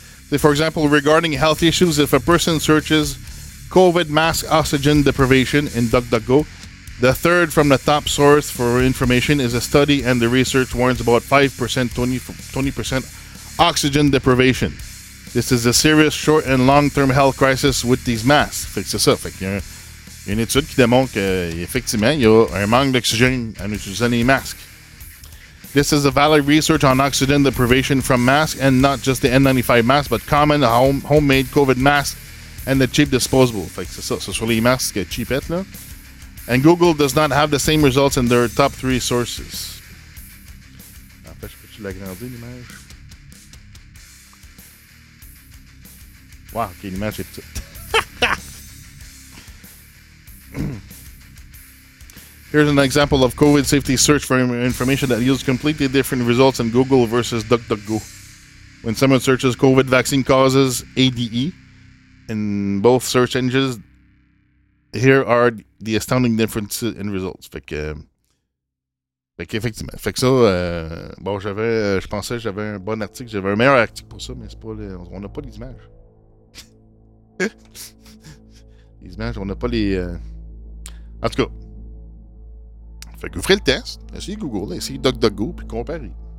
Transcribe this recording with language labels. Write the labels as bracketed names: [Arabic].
[English] Say, for example, regarding health issues, if a person searches COVID mask oxygen deprivation in DuckDuckGo, the third from the top source for information is a study, and the research warns about 5%, 20% oxygen deprivation. This is a serious short and long-term health crisis with these masks. [French] Fait que c'est ça. Fait qu'il y a une étude qui démontre qu'effectivement, il y a un manque d'oxygène en utilisant les masques. [English] This is a valid research on oxygen deprivation from masks, and not just the N95 masks, but common homemade COVID masks and the cheap disposable. [French] Fait que c'est ça. Ce sont les masques cheapettes, là. [English] And Google does not have the same results in their top three sources. [French] En fait, je peux-tu l'agrandir, l'image? Wow, OK, l'image est petite. [English] Here's an example of COVID safety search for information that yields completely different results in Google versus DuckDuckGo. When someone searches COVID vaccine causes ADE in both search engines, here are the astounding differences in results. [French] Fait que effectivement. Fait que ça, bon, je pensais que j'avais un bon article, j'avais un meilleur article pour ça, mais c'est pas, on n'a pas les images. Les images, on n'a pas les... En tout cas, fait que vous ferez le test, essayez Google, essayez DuckDuckGo, puis comparez.